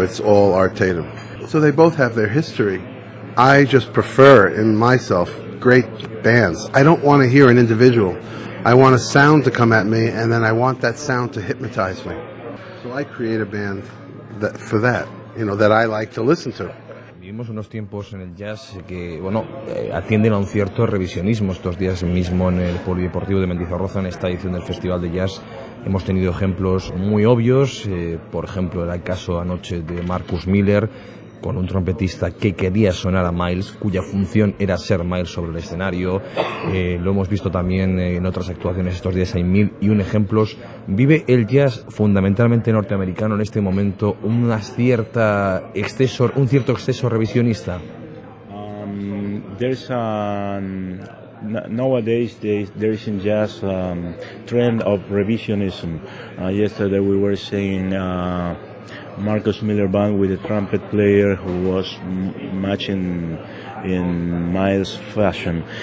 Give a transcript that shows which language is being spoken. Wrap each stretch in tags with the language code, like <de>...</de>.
<en>It's all Art Tatum. So they both have their history. I just prefer, in myself, great bands. I don't want to hear an individual. I want a sound to come at me, and then I want that sound to hypnotize me. So I create a band that, for that, you know, that I like to listen to.</en> <es>Vivimos unos tiempos en el jazz que, bueno, atienden a un cierto revisionismo. Estos días mismo en el Polideportivo de Mendizorroza, en esta edición del Festival de Jazz, hemos tenido ejemplos muy obvios. Por ejemplo, era el caso anoche de Marcus Miller, con un trompetista que quería sonar a Miles, cuya función era ser Miles sobre el escenario. Lo hemos visto también en otras actuaciones estos días, hay mil y un ejemplos. ¿Vive el jazz fundamentalmente norteamericano en este momento un cierto exceso revisionista?</es> <en>There's a nowadays there is in jazz trend of revisionism. Yesterday we were saying Marcus Miller band with a trumpet player who was matching in Miles fashion.</en>